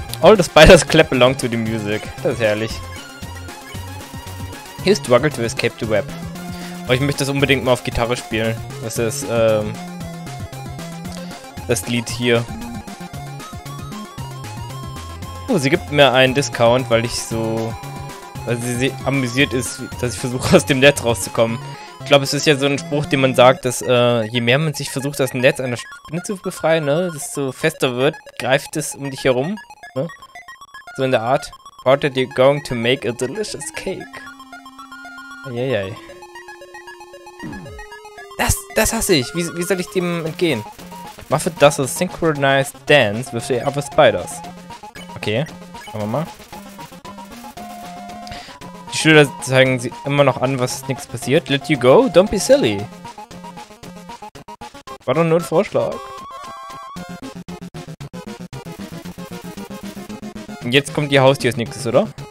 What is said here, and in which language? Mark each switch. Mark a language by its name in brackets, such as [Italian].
[English] All the spiders clap along to the music. [German] Das ist herrlich. [English] He struggled to escape the web. [German] Aber ich möchte das unbedingt mal auf Gitarre spielen. Das ist, das Lied hier. Sie gibt mir einen Discount, weil ich so... weil sie amüsiert ist, dass ich versuche, aus dem Netz rauszukommen. Ich glaube, es ist ja so ein Spruch, den man sagt, dass je mehr man sich versucht, aus dem Netz einer Spinne zu befreien, ne, desto fester wird, greift es um dich herum. Ne? So in der Art. [English] How are you going to make a delicious cake? Eieiei. [German] Das hasse ich. Wie soll ich dem entgehen? [English] Muffet does a synchronized dance with the other spiders. [German] Okay, schauen wir mal. Die Schilder zeigen sie immer noch an, was nichts passiert. [English] Let you go? Don't be silly. [German] War doch nur ein Vorschlag. Und jetzt kommt die Haustür als nächstes, oder?